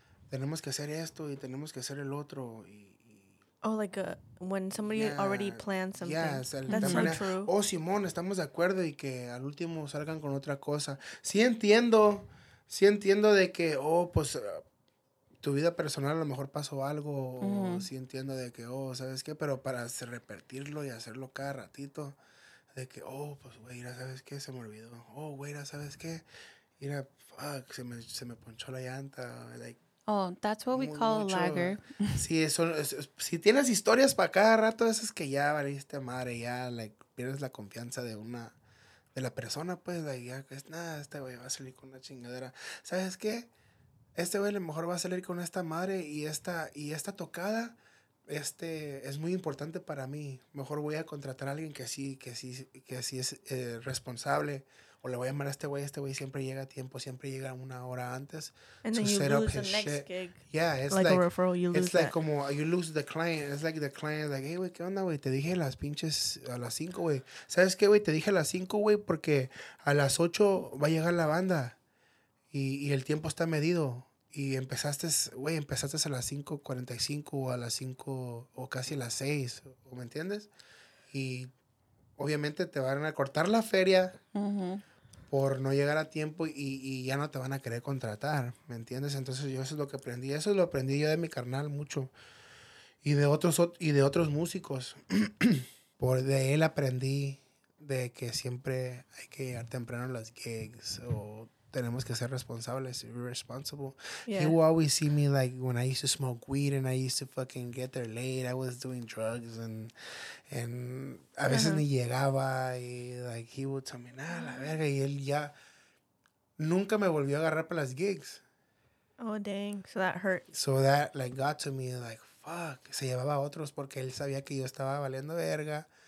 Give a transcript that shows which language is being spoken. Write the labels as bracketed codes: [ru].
[es] Tenemos que hacer esto y tenemos que hacer el otro. [en] Oh, like when somebody yeah, already plans something. Yeah, that's so manera, true. [es] Oh, Simón, estamos de acuerdo y que al último salgan con otra cosa. Sí entiendo... Sí entiendo de que, oh, pues, tu vida personal a lo mejor pasó algo. Mm-hmm. O sí entiendo de que, oh, ¿sabes qué? Pero para repetirlo y hacerlo cada ratito, de que, oh, pues, güey, ¿sabes qué? Se me olvidó. Oh, güey, ¿sabes qué? Mira, fuck, se me ponchó la llanta. Like, [en] oh, that's what we call mucho. A lagger. [es] Sí, eso, si tienes historias para cada rato, eso es que ya valiste madre, ya, like, pierdes la confianza de una... De la persona, pues, de ahí, pues, nada, este güey va a salir con una chingadera. ¿Sabes qué? Este güey a lo mejor va a salir con esta madre y esta tocada. este es muy importante para mí. Mejor voy a contratar a alguien que sí es responsable. O le voy a llamar a este güey siempre llega a tiempo, siempre llega una hora antes. [en] And then you lose the next gig. Yeah, it's like a referral, you lose. It's like como you lose the client. It's like the client is like, hey, [es] güey, ¿qué onda, güey? Te dije las pinches a las 5, güey. ¿Sabes qué, güey? Te dije a las 5, güey, porque a las 8 va a llegar la banda. Y el tiempo está medido. Y empezaste, güey, empezaste a las 5:45 o a las 5 o casi a las 6, ¿o me entiendes? Y obviamente te van a cortar la feria por no llegar a tiempo y ya no te van a querer contratar, ¿me entiendes? Entonces yo eso es lo que aprendí. Eso lo aprendí yo de mi carnal mucho y de otros músicos. Por de él aprendí de que siempre hay que llegar temprano a las gigs o... Tenemos que ser responsables, responsible. [en] Yeah. He would always see me like when I used to smoke weed and I used to fucking get there late. I was doing drugs and [es] a veces ni llegaba y [en] like he would tell me, [es] nah, la verga. Y él ya nunca me volvió a agarrar para las gigs. [en] Oh, dang. So that hurt. So that like got to me like, fuck. [es] Se llevaba a otros porque él sabía que yo estaba valiendo verga.